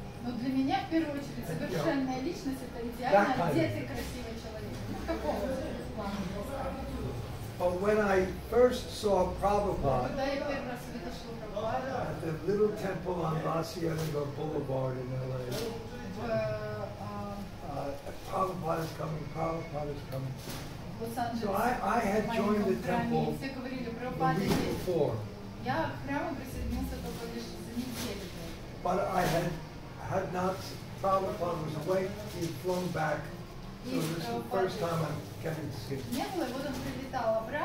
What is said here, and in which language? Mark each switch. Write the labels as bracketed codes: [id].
[ru] Но для меня в первую очередь совершенная личность это идеально одетый красивый человек. [en] But when I first saw Prabhupada at the little temple on La Cienega Boulevard in LA, Prabhupada is coming. So I had joined the temple the week before. [ru] Я к храму присоединился только лишь за неделю. [en] But I had not, Prabhupada was away, he had flown back. So this is the first time I'm getting to see him.